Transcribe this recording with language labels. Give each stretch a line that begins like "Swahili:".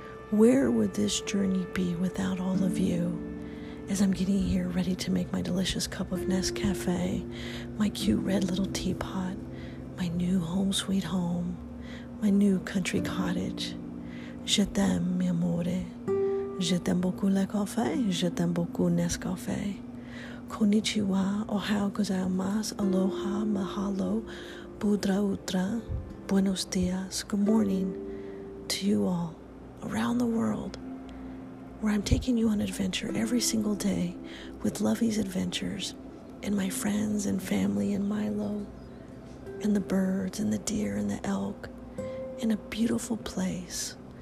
English: Where would this journey be without all of you? As I'm getting here ready to make my delicious cup of Nescafe, my cute red little teapot, my new home sweet home, my new country cottage.
French: Je t'aime, mi amore. Je t'aime beaucoup le café, je t'aime beaucoup Nescafé.
Japanese: Konnichiwa, ohayo gozaimasu,
Hawaiian: aloha, mahalo,
English: budra utra,
Spanish: buenos dias,
English: good morning to you all around the world, where I'm taking you on adventure every single day with Lovey's Adventures and my friends and family and Milo and the birds and the deer and the elk in a beautiful place.